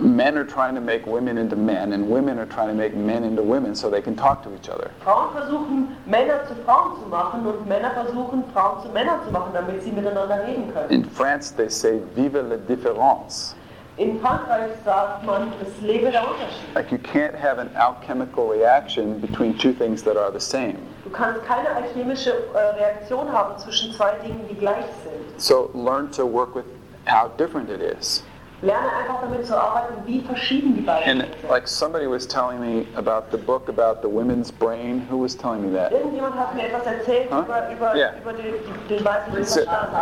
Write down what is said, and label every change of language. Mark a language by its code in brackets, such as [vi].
[en] Men are trying to make women into men, and women are trying to make men into women, so they can talk to each other. [de] Frauen versuchen, Männer zu Frauen zu machen, und Männer versuchen, Frauen zu Männern zu machen, damit sie miteinander reden können. [en] In France, they say, [fr] vive la différence. [de] In Frankreich sagt man, es lebe der Unterschied. [en] Like you can't have an alchemical reaction between two things that are the same. [de] Du kannst keine alchemische Reaktion haben zwischen zwei Dingen, die gleich sind. [en] So learn to work with how different it is. [de] Lerne einfach damit zu arbeiten, wie verschieden die beiden [en] and [de] sind. [en] Like somebody was telling me about the book about the women's brain. Who was telling me that? [de] Irgendjemand hat mir etwas erzählt über den weiblichen Verstand.